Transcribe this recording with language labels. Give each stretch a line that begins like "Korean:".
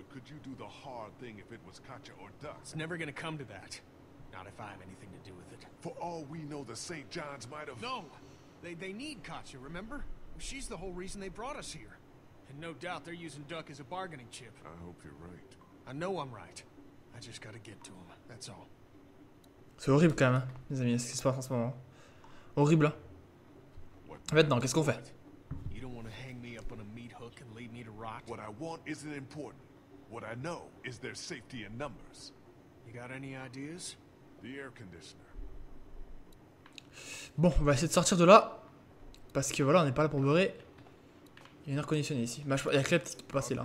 English: You do the hard thing if it was Katja or Duck. It's never gonna come to that. Not if I have anything to do with it. For all we know, the St. John's might have. No! They need Katja, remember? She's the whole reason they brought us here. And no doubt they're using Duck as a bargaining chip. I hope you're right. I know I'm right. I just gotta get to him. That's all.
French: C'est horrible quand même, hein, les amis, ce qui se passe en ce moment. Horrible. Hein. Maintenant, qu'est-ce qu'on fait?
English: You don't want to hang me up on a meat hook and leave me to rot? What I want isn't important. What I know is their safety in numbers. You got any ideas? The air conditioner.
French: Bon, on va essayer de sortir de là. Parce que voilà, on n'est pas là pour beurrer. Il y a une air conditionnée ici. Bah, il y a que la petite qui peut passer là.